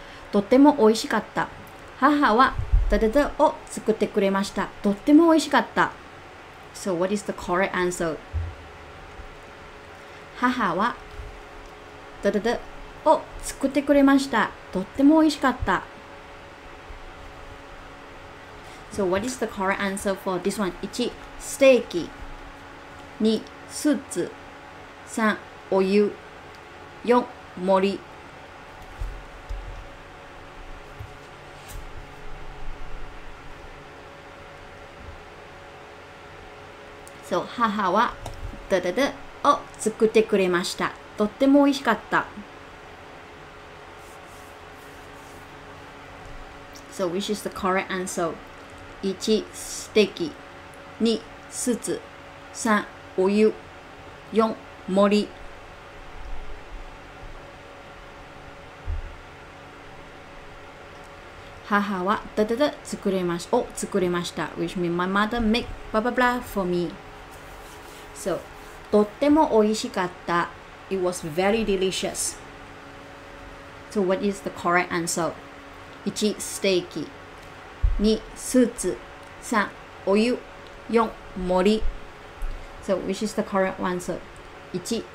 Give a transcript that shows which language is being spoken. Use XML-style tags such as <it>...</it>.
<ja>とっても美味しかった。母はダダダを作ってくれました。とっても美味しかった。</ja> <en>So what is the correct answer?</en> <ja>母はダダダを作ってくれました。とっても美味しかった。</ja> <en>So what is the correct answer for this one?</en> <ja>1. ステーキ 2. スーツ 3. お湯 4. 盛りそう、母はドドドを作ってくれました。とっても美味しかった。</ja> <en>So which is the correct answer? 1. ステーキ 2.</en> <ja>スーツ 3. お湯 4. 盛り母はドドド作れまし、を作れました。</ja> <en>Which means my mother make blah blah blah for me.</en> <ja>So, とっても美味しかった。</ja> <en>It was very delicious. So, what is the correct answer? 1.</en> <ja>ステーキ 2. スーツ 3. お湯 4. 盛り</ja> <en>So, which is the correct answer? 1.</en>